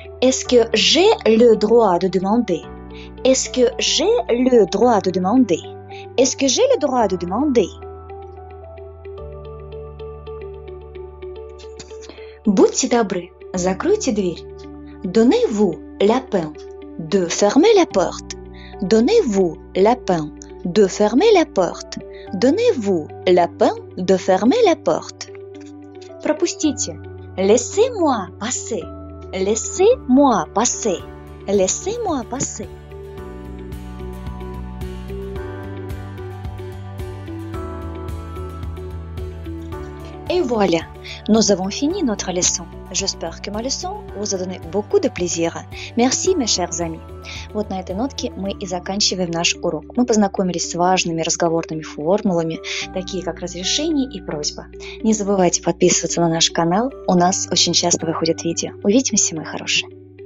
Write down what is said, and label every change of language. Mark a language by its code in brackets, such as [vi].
[fr] Est-ce que j'ai le droit de demander? Est-ce que j'ai le droit de demander? Est-ce que j'ai le droit de demander? [ru] Будьте добры, закройте дверь. [fr] Donnez-vous la peine de fermer la porte. Donnez-vous la peine de fermer la porte. Donnez-vous la peine de fermer la porte. [ru] Пропустите. [fr] Laissez-moi passer. Laissez-moi passer. Laissez-moi passer. Et voilà, nous avons fini notre leçon. J'espère que ma leçon vous a donné beaucoup de plaisir. Merci, mes chers amis. [ru] Вот на этой нотке мы и заканчиваем наш урок. Мы познакомились с важными разговорными формулами, такие как разрешение и просьба. Не забывайте подписываться на наш канал. У нас очень часто выходят видео. Увидимся, мои хорошие.